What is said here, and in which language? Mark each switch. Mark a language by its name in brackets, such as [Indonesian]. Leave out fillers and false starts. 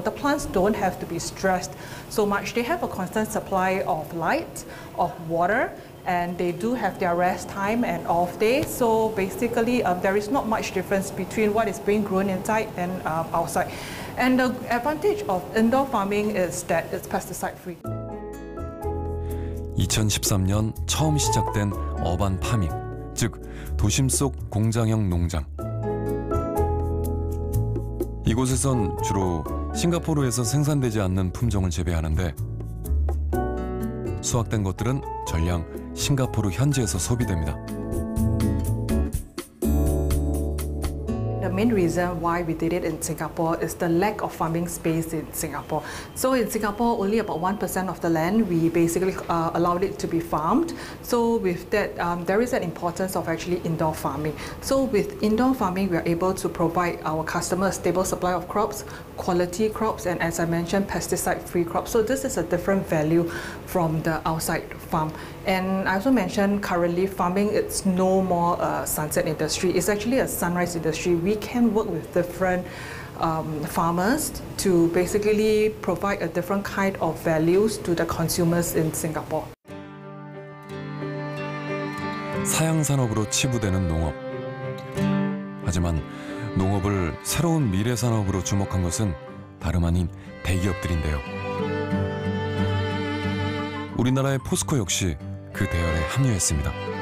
[English] The plants don't have to be stressed so much. They have a constant supply of light, of water, and they do have their rest time and off day. So basically, there is not much difference between what is being grown inside and outside. And the advantage of indoor farming is that it's pesticide-free. [Korean] 2013년 처음 시작된 어반 파밍, 즉 도심 속 공장형 농장. 이곳에선 주로 싱가포르에서 생산되지 않는 품종을 재배하는데 수확된 것들은 전량 싱가포르 현지에서 소비됩니다. [English] The main reason why we did it in Singapore is the lack of farming space in Singapore. So in Singapore, only about 1% of the land we basically allowed it to be farmed. So with that, there is an importance of actually indoor farming. So with indoor farming, we are able to provide our customers a stable supply of crops, quality crops, and as I mentioned, pesticide-free crops. So this is a different value from the outside farm. And I also mentioned currently farming, it's no more a sunset industry. It's actually a sunrise industry. We can work with different farmers to basically provide a different kind of values to the consumers in Singapore. [Korean] 사양산업으로 치부되는 농업. 하지만 농업을 새로운 미래산업으로 주목한 것은 다름 아닌 대기업들인데요. 우리나라의 포스코 역시 그 대열에 합류했습니다.